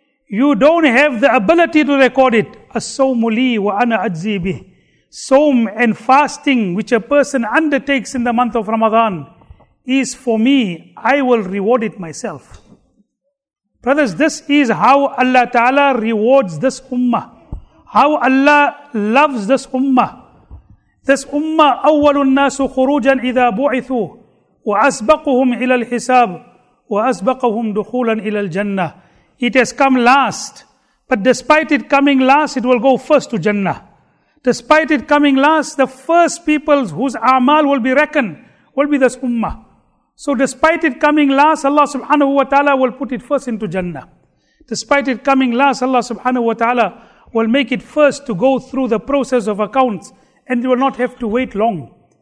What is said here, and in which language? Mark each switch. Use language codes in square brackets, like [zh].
[en] You don't have the ability to record it. As-sawmu li wa ana ajzi bih. Saum and fasting which a person undertakes in the month of Ramadan is for me, I will reward it myself. Brothers, this is how Allah Ta'ala rewards this ummah. How Allah loves this ummah. [ar] This ummah, أَوَّلُ النَّاسُ خُرُوجًا إِذَا بُعِثُوا وَأَسْبَقُهُمْ إِلَى الْحِسَابِ وَأَسْبَقُهُمْ دُخُولًا إِلَى الْجَنَّةِ. [en] It has come last. But despite it coming last, it will go first to Jannah. Despite it coming last, the first people whose a'mal will be reckoned will be this ummah. So despite it coming last, Allah subhanahu wa ta'ala will put it first into Jannah. Despite it coming last, Allah subhanahu wa ta'ala will make it first to go through the process of accounts and you will not have to wait long.